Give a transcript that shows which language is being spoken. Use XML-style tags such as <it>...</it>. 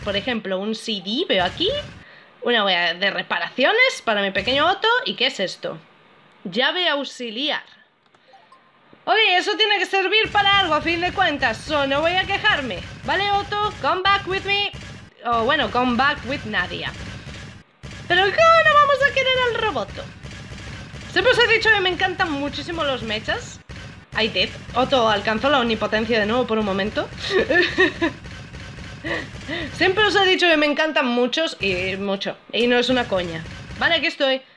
<es>Por ejemplo, un CD veo aquí. Una wea de reparaciones para mi pequeño Otto. ¿Y qué es esto? Llave auxiliar. Ok, eso tiene que servir para algo a fin de cuentas. O no voy a quejarme. Vale,</es> <en>Otto, come back with me.</en> <es>O bueno,</es> <en>come back with Nadia.</en> <es>Pero ¿cómo no vamos a querer al roboto? Siempre os he dicho que me encantan muchísimo los mechas.</es> <en>I did.</en> <es>Otto alcanzó la omnipotencia de nuevo por un momento. Siempre os he dicho que me encantan muchos y mucho. Y no es una coña. Vale, aquí estoy.</es>